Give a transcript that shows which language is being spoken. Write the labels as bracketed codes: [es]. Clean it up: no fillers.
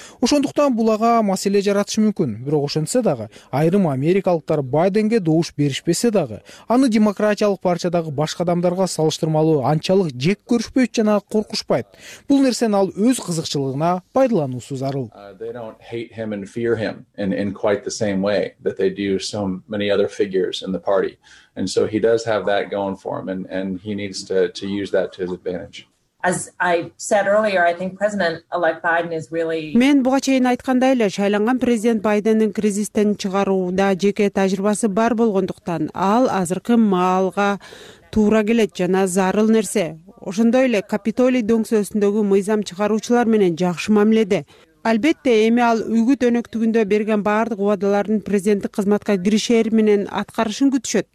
[ky] Ошондуктан бул ага маселе жаратышы мүмкүн. Бирок ошентсе дагы, айрым америкалыктар Байденге добуш беришпесе дагы, аны демократиялык партиядагы башка адамдарга салыштырмалуу анчалык жек көрүшпөйт жана коркушпайт. Бул нерсени ал өз кызыкчылыгына пайдалануусу зарыл. [en] They don't hate him and fear him in quite the same way that they do so many other figures in the party. And so he does have that going for him, and he needs to use that to his advantage. As I said earlier, I think President-elect Biden is really... [ky] Мен буга чейин айткандай эле, шайланган президент Байдендин кризистен чыгарууда жеке тажрыйбасы бар болгондуктан, ал азыркы маалга туура келет жана зарыл нерсе. Ошондой эле Капитолий дөңсөсүндөгү мыйзам чыгаруучулар менен жакшы мамиледе. Албетте, эми ал үгүт өнөктүгүндө берген баардык убадаларын президенттик кызматка киришери менен аткарышын күтүшөт.